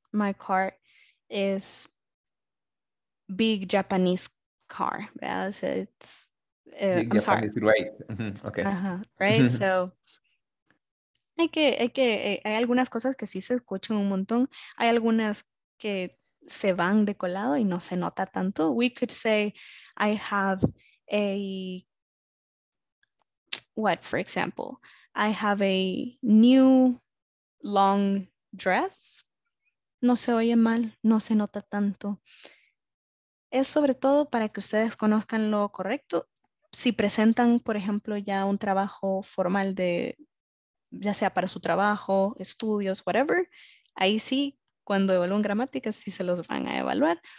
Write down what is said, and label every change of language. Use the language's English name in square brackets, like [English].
[English] My car is big Japanese car, ¿verdad? So it's, big I'm Japanese, sorry. Right. Okay. Uh-huh. Right, so. [Spanish] Hay algunas cosas que sí se escuchan un montón. Hay algunas que se van de colado y no se nota tanto. [English] We could say, I have a, what, for example, I have a new long dress. [Spanish] No se oye mal, no se nota tanto. Es sobre todo para que ustedes conozcan lo correcto. Si presentan, por ejemplo, ya un trabajo formal de, ya sea para su trabajo, estudios, whatever, ahí sí, cuando evalúan gramática, sí se los van a evaluar.